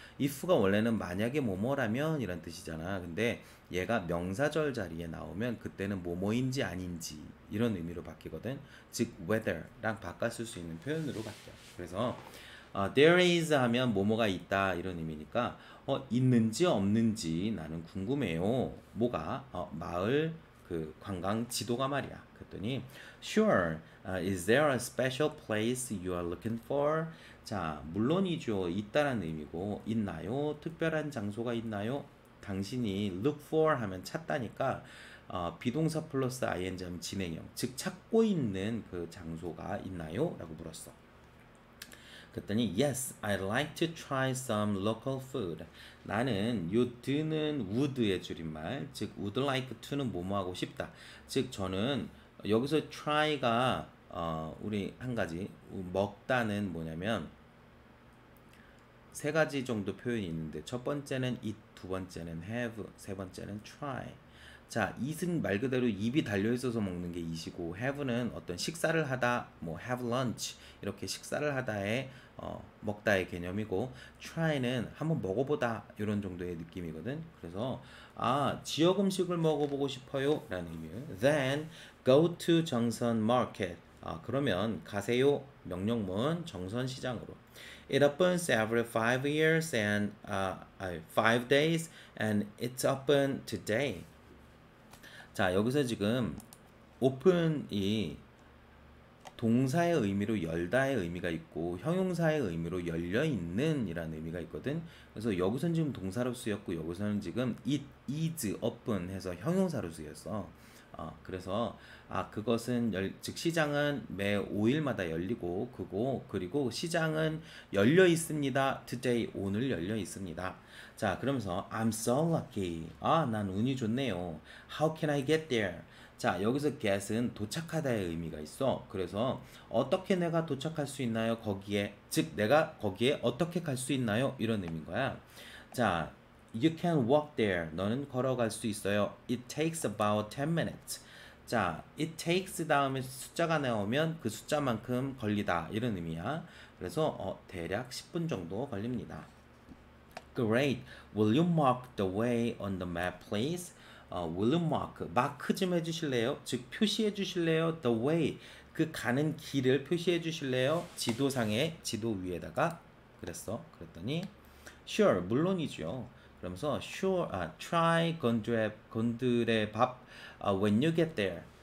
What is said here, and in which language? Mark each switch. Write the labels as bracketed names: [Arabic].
[Korean] if가 원래는 만약에 뭐뭐라면 이런 뜻이잖아. 근데 얘가 명사절 자리에 나오면 그때는 뭐뭐인지 아닌지 이런 의미로 바뀌거든. 즉, weather랑 바꿔 쓸 수 있는 표현으로 바뀌어. 그래서 there is 하면 뭐뭐가 있다 이런 의미니까 있는지 없는지 나는 궁금해요. 뭐가? 마을 그 관광 지도가 말이야. 그랬더니 [English] sure, is there a special place you are looking for? [Korean] 자, 물론이죠. 있다라는 의미고 있나요? 특별한 장소가 있나요? 당신이 look for 하면 찾다니까 비동사 플러스 ing 하면 진행형 즉 찾고 있는 그 장소가 있나요? 라고 물었어. 그랬더니 [English] yes, I'd like to try some local food. [Korean] 나는 요 do는 would의 줄임말 즉 would like to는 뭐뭐 하고 싶다 즉 저는 여기서 try가 우리 한 가지 먹다는 뭐냐면 세 가지 정도 표현이 있는데 첫 번째는 eat, 두 번째는 have, 세 번째는 try. 자, eat은 말 그대로 입이 달려있어서 먹는 게 eat이고 have는 어떤 식사를 하다, 뭐 have lunch 이렇게 식사를 하다의 먹다의 개념이고 try는 한번 먹어보다 이런 정도의 느낌이거든. 그래서 아, 지역 음식을 먹어보고 싶어요 라는 의미. [English] Then go to Jeongseon Market. [Korean] 그러면 가세요 명령문 정선시장으로. [English] It opens every 5 years and 5 days and it's open today. [Korean] 자, 여기서 지금 open이 동사의 의미로 열다의 의미가 있고 형용사의 의미로 열려있는 이라는 의미가 있거든. 그래서 여기서는 지금 동사로 쓰였고 여기서는 지금 it is open 해서 형용사로 쓰였어. 그래서 그것은 즉 시장은 매 5일마다 열리고 그리고 시장은 열려 있습니다. Today 오늘 열려 있습니다. 자, 그러면서 [English] I'm so lucky. [Korean] 아, 난 운이 좋네요. [English] How can I get there? [Korean] 자, 여기서 get은 도착하다의 의미가 있어. 그래서 어떻게 내가 도착할 수 있나요? 거기에 즉 내가 거기에 어떻게 갈 수 있나요? 이런 의미인 거야. 자, [English] You can walk there. [Korean] 너는 걸어갈 수 있어요. [English] It takes about 10 minutes. [Korean] 자, it takes 다음에 숫자가 나오면 그 숫자만큼 걸리다. 이런 의미야. 그래서 대략 10분 정도 걸립니다. [English] Great. Will you mark the way on the map, please? Will you mark? [Korean] 마크 좀 해주실래요? 즉, 표시해 주실래요? [English] The way. [Korean] 그 가는 길을 표시해 주실래요? 지도상에, 지도 위에다가. 그랬어. 그랬더니 Sure. 물론이죠. [English] 그러면서 sure, try 곤드레밥 when you get there.